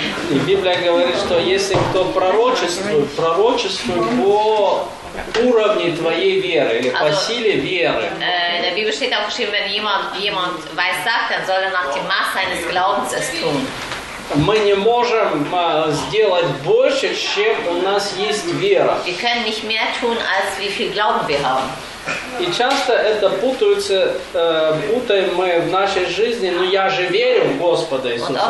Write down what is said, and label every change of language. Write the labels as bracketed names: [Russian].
[Russian] И Библия говорит, что если кто пророчествует по уровню твоей веры или по силе веры. [German] In der Bibel steht auch geschrieben, wenn jemand weiß sagt, dann soll er nach dem Maß seines Glaubens es tun. [Russian] Мы не можем сделать больше, чем у нас есть вера. [German] Wir können nicht mehr tun, als wie viel Glauben wir haben. [Russian] И часто это путается, путаем мы в нашей жизни, но я же верю в Господа Иисуса